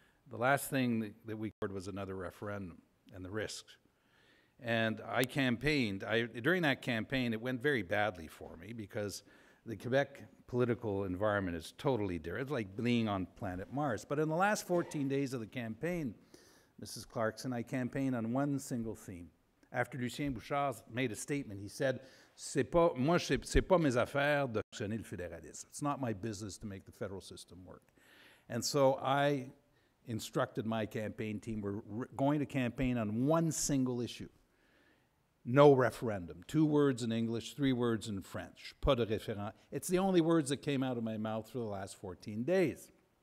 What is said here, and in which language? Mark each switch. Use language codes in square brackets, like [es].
[en] The last thing that we heard was another referendum and the risks. And I campaigned. During that campaign, it went very badly for me because the Quebec political environment is totally different. It's like being on planet Mars. But in the last 14 days of the campaign, Mrs. Clarkson, I campaigned on one single theme. After Lucien Bouchard made a statement, he said, [fr] c'est pas mes affaires de fonctionner le fédéralisme. [en] It's not my business to make the federal system work. And so I instructed my campaign team, we're going to campaign on one single issue. No referendum. Two words in English, three words in French. [fr] Pas de référendum. [en] It's the only words that came out of my mouth for the last 14 days.